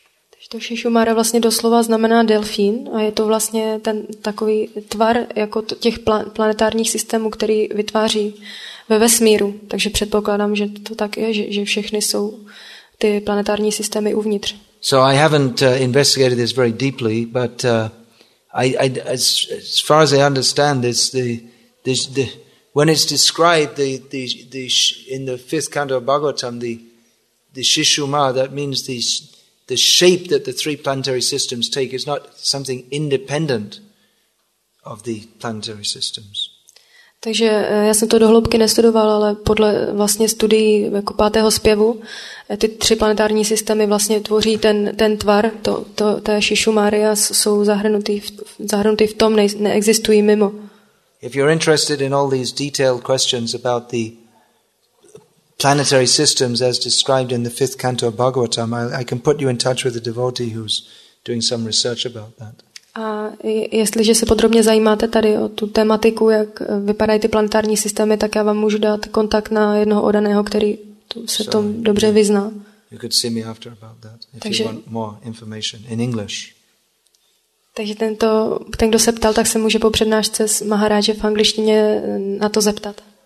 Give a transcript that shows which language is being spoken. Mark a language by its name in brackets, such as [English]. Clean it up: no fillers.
[Czech] Takže to Šišumára vlastně doslova znamená delfín a je to vlastně ten takový tvar jako těch planetárních systémů, který vytváří ve vesmíru. Takže předpokládám, že to tak je, že všechny jsou ty planetární systémy uvnitř. [English] So I haven't investigated this very deeply, but I as far as I understand this, the when it's described in the fifth canto of Bhagavatam, the Shishuma, that means the shape that the three planetary systems take is not something independent of the planetary systems. [Czech] Takže já jsem to do hloubky nestudoval, ale podle vlastně studií jako pátého zpěvu ty tři planetární systémy vlastně tvoří ten tvar, to Shishumária jsou zahrnutý v tom, neexistují mimo. [English] If you're interested in all these detailed questions about the planetary systems as described in the fifth canto of Bhagavatam, I can put you in touch with a devotee who's doing some research about that. [Czech] A jestliže se podrobně zajímáte tady o tu tematiku, jak vypadají ty planetární systémy, tak já vám můžu dát kontakt na jednoho odaného, který se tom dobře vyzná. [English] You could see me after about that if you want more information in English. [Czech] Takže ten, kdo se ptal, tak se může po přednášce s Maharáže v angličtině na to zeptat.